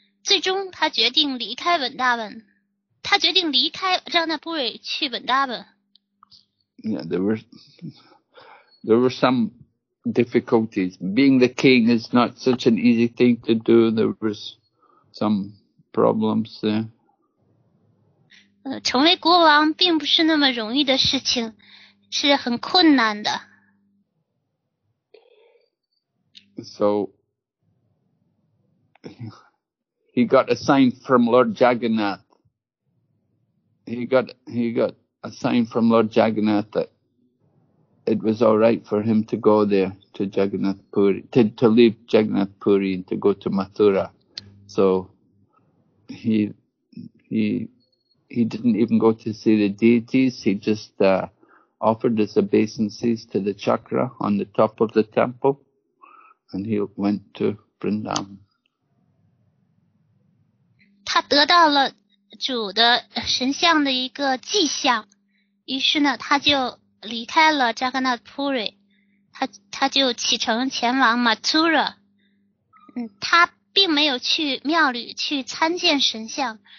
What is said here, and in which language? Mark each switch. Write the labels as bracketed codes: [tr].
[zh] 最终他决定离开 Vrindavan. 他决定离开 Jagannath Puri 去 Vrindavan. [en] Yeah, there were some difficulties. Being the king is not such an easy thing to do. There was some problems there. [zh] 成为国王并不是那么容易的事情，是很困难的。 [en] So, he got a sign from Lord Jagannath. He got a sign from Lord Jagannath that it was all right for him to go there to Jagannath Puri, to leave Jagannath Puri and to go to Mathura. So, he didn't even go to see the deities. He just, offered his obeisances to the chakra on the top of the temple. And he went to Vrindavan. [zh] 他得到了主的神像的一个迹象。于是呢他就离开了 Jagannath Puri。他就启程前往 Mathura。他并没有去庙里去参见神像。